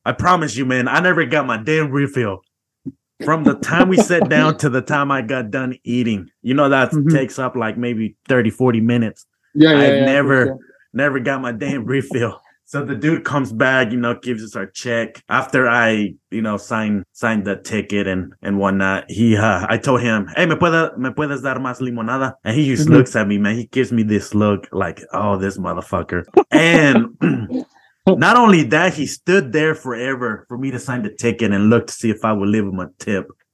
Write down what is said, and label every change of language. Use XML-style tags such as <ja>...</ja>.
<en>I promise you, man, I never got my damn refill from the time we sat down to the time I got done eating. You know, that takes up like maybe 30-40 minutes. Yeah, never got my damn refill. So the dude comes back, you know, gives us our check after I, you know, signed the ticket and whatnot. I told him, hey,</en> <es>me puedes dar más limonada?</es> <en>And he just looks at me, man. He gives me this look like, oh, this motherfucker. And not only that, he stood there forever for me to sign the ticket and look to see if I would leave him a tip.</en>